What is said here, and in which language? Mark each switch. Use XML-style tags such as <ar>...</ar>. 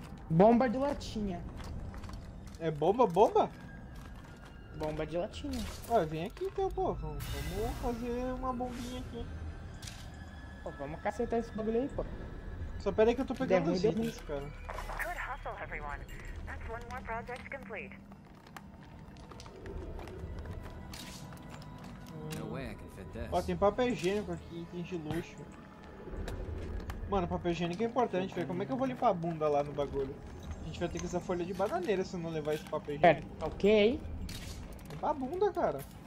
<pt>Bomba de latinha. É bomba, bomba? Bomba de latinha. Ó, vem aqui então, pô. Vamos fazer uma bombinha aqui. Pô, vamos cacetar esse bagulho aí, pô. Só pera aí que eu tô pegando os itens, cara.</pt> <en>Good hustle, everyone. That's one more project complete.</en> <pt>Ó, tem papel higiênico aqui, itens de luxo. Mano, papel higiênico é importante, velho. Como é que eu vou limpar a bunda lá no bagulho? A gente vai ter que usar folha de bananeira se eu não levar esse papel higiênico. Pera, ok. Limpar a bunda, cara.</pt>